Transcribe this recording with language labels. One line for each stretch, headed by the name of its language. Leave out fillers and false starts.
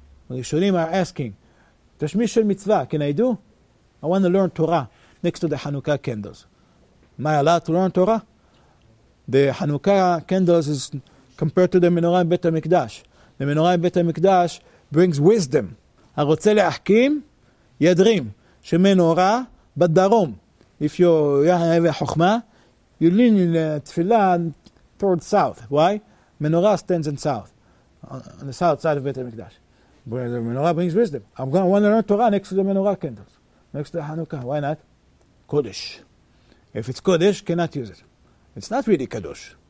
English: Rishonim are asking, tashmish shel mitzvah, can I do? I want to learn Torah next to the Hanukkah candles. Am I allowed to learn Torah? The Hanukkah candles is compared to the menorah in Beit HaMikdash. The menorah in Beit HaMikdash brings wisdom.
Hebrew: הרוצה להחכים, ידרים, שמנורה בדרום.
English: If you have a חוכמה, you lean in tefillah towards south. Why? Menorah stands in south, on the south side of Beit HaMikdash. But the menorah brings wisdom. I want to learn Torah next to the menorah candles. Next to Hanukkah, why not? Kodesh. If it's Kodesh, cannot use it. It's not really Kadosh.